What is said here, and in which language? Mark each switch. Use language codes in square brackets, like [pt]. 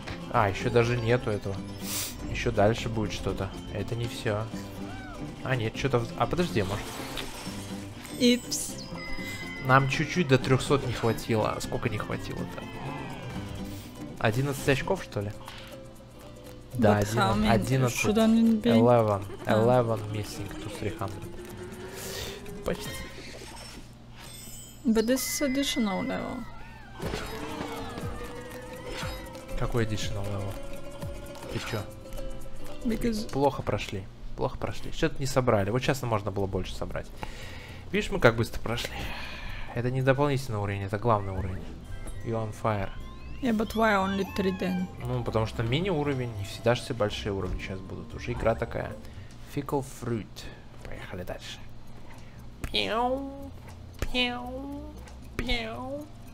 [ru] А, еще даже нету этого. Еще дальше будет что-то. Это не все. А, нет, что-то... А, подожди, может... Ипс. Нам чуть-чуть до 300 не хватило. Сколько не хватило-то? 11 очков, что ли? [en] Да, 11 missing to 300. [ru] Почти. [en] But this is additional level. [ru] Какой [en] additional level? [ru] Ты чё? [en] Because... [ru] Плохо прошли. Плохо прошли. Что-то не собрали. Вот сейчас можно было больше собрать. Видишь, мы как быстро прошли. Это не дополнительный уровень, это главный уровень. [en] You're on fire. Yeah, but why only 3 then? [ru] Ну, потому что мини-уровень, не всегда же все большие уровни сейчас будут. Уже игра такая. Fickle Fruit. Поехали дальше. Пиу. Пиу. Пиу.